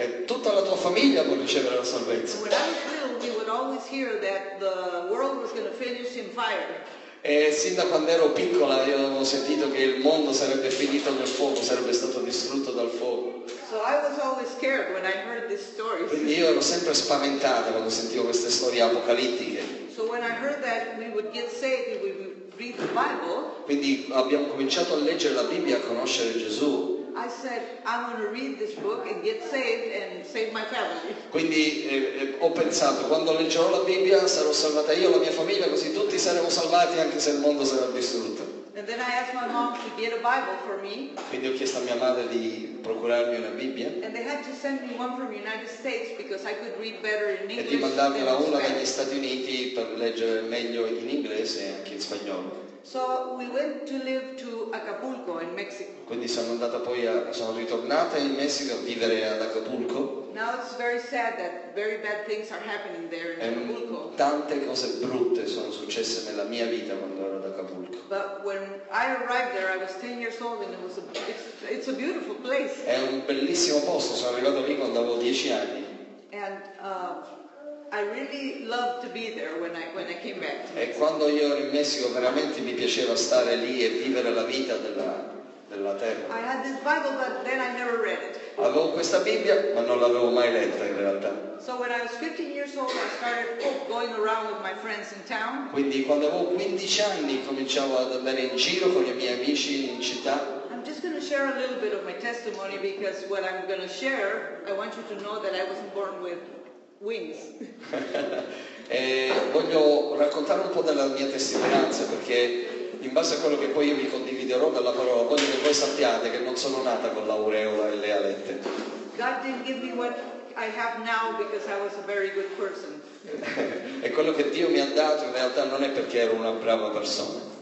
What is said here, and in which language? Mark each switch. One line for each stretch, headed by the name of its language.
Italian: E tutta la tua famiglia può ricevere la salvezza.
English: When I was little, we would always hear that the world was going to finish in fire.
Italian: E sin da quando ero piccola io avevo sentito che il mondo sarebbe finito nel fuoco, sarebbe stato distrutto dal fuoco.
English: So I was always scared when I heard this story.
Italian: Quindi io ero sempre spaventata quando sentivo queste storie apocalittiche.
English: So when I heard that we would get saved if we would read the Bible.
Italian: Quindi abbiamo cominciato a leggere la Bibbia, a conoscere Gesù.
English: I said I'm going to read this book and get saved and save my family.
Italian: Quindi ho pensato, quando leggerò la Bibbia sarò salvata io e la mia famiglia, così tutti saremo salvati anche se il mondo sarà distrutto.
English: And then I asked my mom to get a Bible for me.
Italian: Quindi ho chiesto a mia madre di procurarmi una Bibbia.
English: And they had to send me one from the United States because I could read better in English.
Italian: E di mandarmela una dagli Stati Uniti per leggere meglio in inglese e anche in spagnolo.
English: So we went to live to Acapulco in Mexico.
Italian: Quindi sono ritornata in Messico a vivere ad Acapulco.
English: Now it's very sad that very bad things are happening there in Acapulco.
Italian: Tante cose brutte sono successe nella mia vita quando ero ad Acapulco.
English: But when I arrived there I was 10 years old and it's a beautiful place.
Italian: È un bellissimo posto, sono arrivato lì quando avevo 10 anni.
English: And I really loved to be there when I came back.
Italian: E quando io ero in Messico veramente mi piaceva stare lì e vivere la vita della terra.
English: I had this Bible, but then I never read it.
Italian: Avevo questa Bibbia, ma non l'avevo mai letta in realtà.
English: So when I was 15 years old, I started going around with my friends in town.
Italian: Quindi quando avevo 15 anni cominciavo ad andare in giro con i miei amici in città.
English: I'm just going to share a little bit of my testimony because what I'm going to share, I want you to know that I wasn't born with wings.
Italian: voglio raccontare un po' della mia testimonianza perché in base a quello che poi io vi condivido Quindi rompe la parola, voglio che voi sappiate che non sono nata con l'aureola e le alette.
English: God didn't give me what I have now because I was a very good person.
Italian: E quello che Dio mi ha dato in realtà non è perché ero una brava persona.